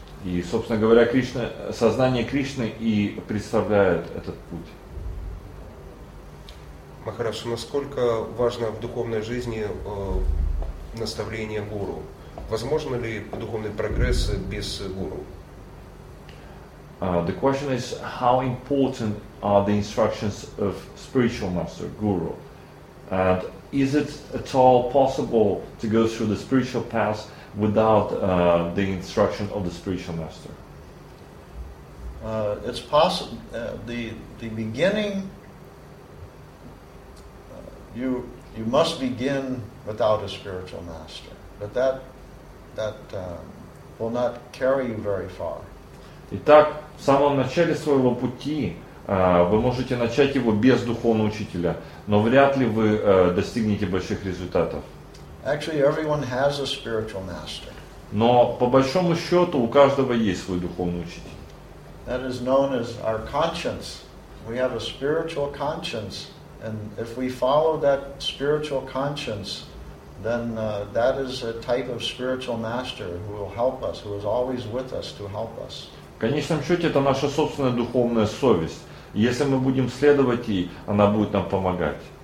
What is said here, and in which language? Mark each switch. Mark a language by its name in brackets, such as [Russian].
[Russian] И, собственно говоря, Кришна, сознание Кришны и представляет этот путь. Махарадж, насколько важно в духовной жизни наставление гуру? Возможно ли духовный прогресс без гуру? [English] The question is, how important are the instructions of spiritual master, guru? And is it at all possible to go through the spiritual path without the instruction of the spiritual master? It's possible. The beginning, you must begin without a spiritual master, but that will not carry you very far. [Russian] Итак, в самом начале своего пути вы можете начать его без духовного учителя, но вряд ли вы достигнете больших результатов. [English] Actually, everyone has a spiritual master. [Russian] Но по большому счету у каждого есть свой духовный учитель. [English] That is known as our conscience. We have a spiritual conscience, and if we follow that spiritual conscience, then that is a type of spiritual master who will help us, who is always with us to help us. [Russian] В конечном счете, это наша собственная духовная совесть. Если мы будем следовать ей, она будет нам помогать.